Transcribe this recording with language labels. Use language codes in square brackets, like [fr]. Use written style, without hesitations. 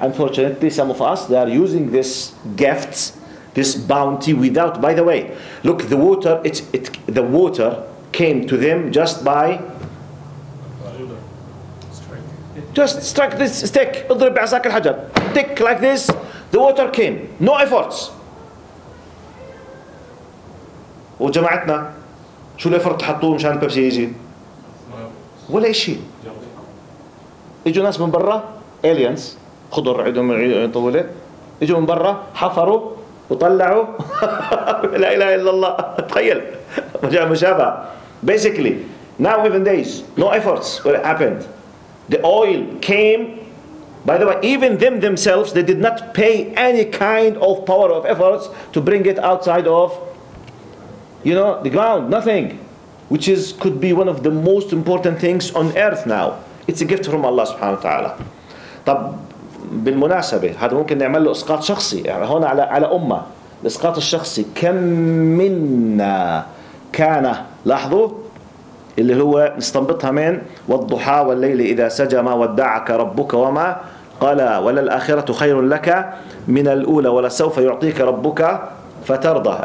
[en] Unfortunately, some of us, they are using this gift, this bounty without, by the way, look, the water, the water came to them just by just strike this stick, [ar] اضرب بعصاك الحجر, [en] tick like this, the water came, no efforts. [ar] وجماعتنا شو الافورت تحطوه مشان بيبسي يجي؟ ولا شيء. اجوا ناس من برا, aliens, خضر عندهم طوله, اجوا من برا حفروا وطلعوا لا اله الا الله. تخيل مشابه. [en] Basically, now within days, no efforts what happened. The oil came, by the way, even them themselves, they did not pay any kind of power of efforts to bring it outside of, you know, the ground, nothing. Which is could be one of the most important things on earth now. It's a gift from Allah subhanahu wa ta'ala. [ar] طب بالمناسبة هذا ممكن نعمل له إسقاط شخصي هنا على أمة. الإسقاط الشخصي, كم منا كان, لاحظوا اللي هو نستنبطها من والضحى والليل إذا سجى ما ودعك ربك وما قال ولا الآخرة خير لك من الأولى ولا سوف يعطيك ربك فترضى.